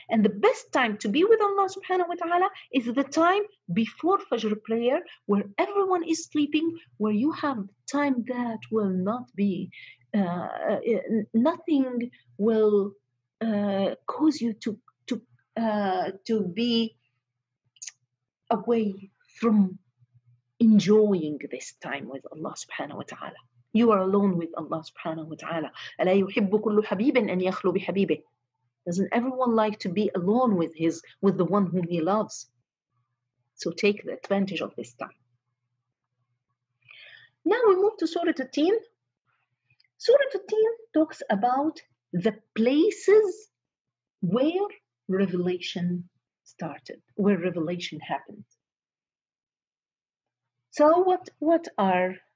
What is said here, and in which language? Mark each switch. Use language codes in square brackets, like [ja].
[en] And the best time to be with Allah subhanahu wa ta'ala is the time before Fajr prayer, where everyone is sleeping, where you have time that will not be, nothing will cause you to be away from enjoying this time with Allah subhanahu wa ta'ala. You are alone with Allah subhanahu wa ta'ala. [ar] أَلَا يُحِبُّ كُلُّ حَبِيبٍ أَنْ يَخْلُو بِحَبِيبِهِ. [en] Doesn't everyone like to be alone with with the one whom he loves? So take the advantage of this time. Now we move to Surah At-Tin. Surah At-Tin talks about the places where revelation started, where revelation happened. So what are